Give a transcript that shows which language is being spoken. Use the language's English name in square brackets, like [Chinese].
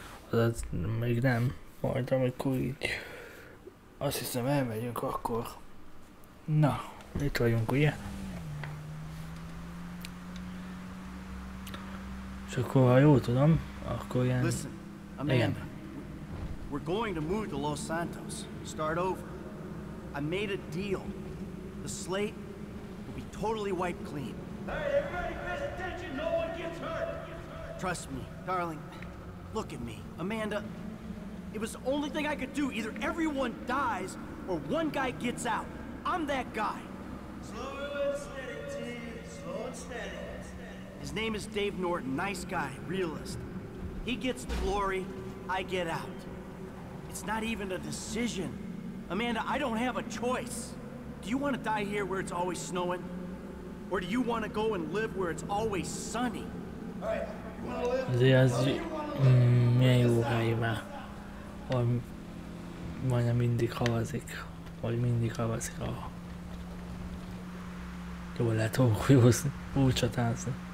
[Hungarian] Azaz még nem. Majd amikor így azt hiszem elmegyünk akkor. Na, itt vagyunk ugye? És akkor ha jól tudom, akkor ilyen... [English] Listen, we're going to move to Los Santos. Start over. I made a deal. The slate will be totally wiped clean. Hey, everybody, pay attention. No one gets hurt. Trust me, darling. Look at me, Amanda. It was the only thing I could do. Either everyone dies or one guy gets out. I'm that guy. Slow and steady, T. Slow and steady. His name is Dave Norton. Nice guy, realist. He gets the glory. I get out. It's not even a decision. Amanda, I don't have a choice. Do you want to die here where it's always snowing? Or do you want to go and live where it's always sunny? [Hungarian] Azért az milyen jó hely, mert majdnem mindig havazik, vagy mindig havazik, ahol jól lehet hókolyózni, úgy csatázni.